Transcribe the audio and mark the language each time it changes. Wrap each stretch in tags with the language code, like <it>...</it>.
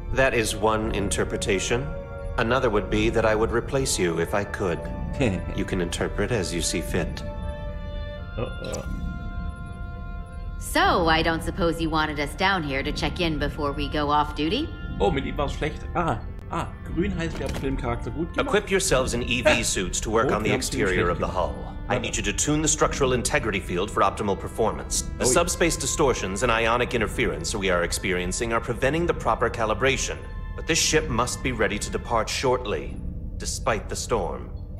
<en>That is one interpretation. Another would be that I would replace you if I could. You can interpret as you see fit. So, I don't suppose you wanted us down here to check in before we go off duty?</en> <de>Oh, mit ihm war's schlecht. Ah, grün heißt, wir haben den Charakter gut gemacht.</de> <en>Equip yourselves in EV suits to work on the exterior of the hull. I need you to tune the structural integrity field for optimal performance. The subspace distortions and ionic interference we are experiencing are preventing the proper calibration. But this ship must be ready to depart shortly, despite the storm.</en>